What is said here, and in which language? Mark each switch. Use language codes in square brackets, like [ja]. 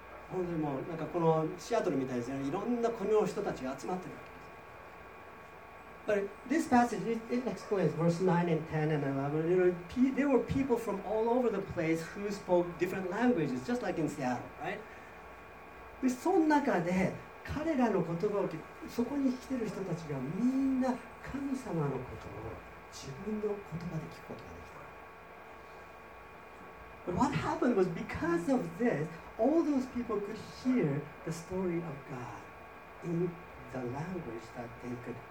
[ja] 本当にもうなんかこのシアトルみたいですよね、いろんな国の人たちが集まってるわけです。 [en] But this passage it explains verse 9 and 10 and 11. There were people from all over the place who spoke different languages, just like in Seattle, right? [ja] でその中で彼らの言葉を聞いて、そこに来てる人たちがみんな神様のことを自分の言葉で聞くことができた。 [en] But what happened was because of this, all those people could hear the story of God in the language that they could